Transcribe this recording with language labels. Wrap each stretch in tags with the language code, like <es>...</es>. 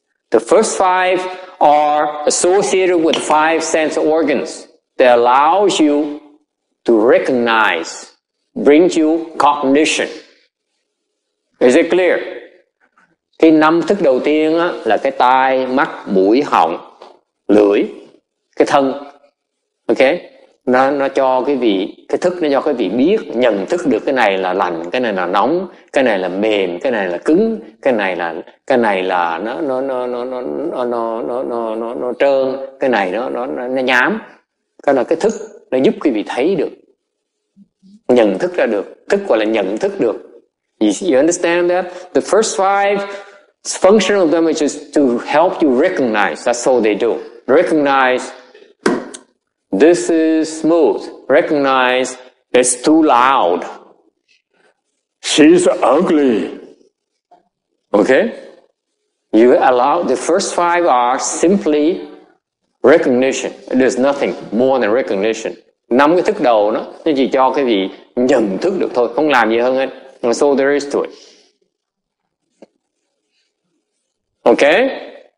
<en>The first 5 are associated with 5 sense organs that allows you to recognize, brings you cognition. Is it clear?</en> <vi>Cái 5 thức đầu tiên á, là cái tai, mắt, mũi, họng, lưỡi, cái thân. Okay? nó cho cái vị, cái thức nó cho cái vị biết, nhận thức được cái này là lạnh, cái này là nóng, cái này là mềm, cái này là cứng, cái này là nó trơn, cái này nó nhám. Cái là cái thức nó giúp quý vị thấy được, nhận thức ra được, thức gọi là nhận thức được.</vi> <en>You understand that? The first five functional of them is just to help you recognize. That's all they do. Recognize this is smooth. Recognize it's too loud. She's ugly. Okay? You allow the first five are simply recognition. There's nothing more than recognition.</en> <vi>Năm cái thức đầu nó chỉ cho cái gì nhận thức được thôi, không làm gì hơn hết.</vi> <en>So there is to it. Okay?</en>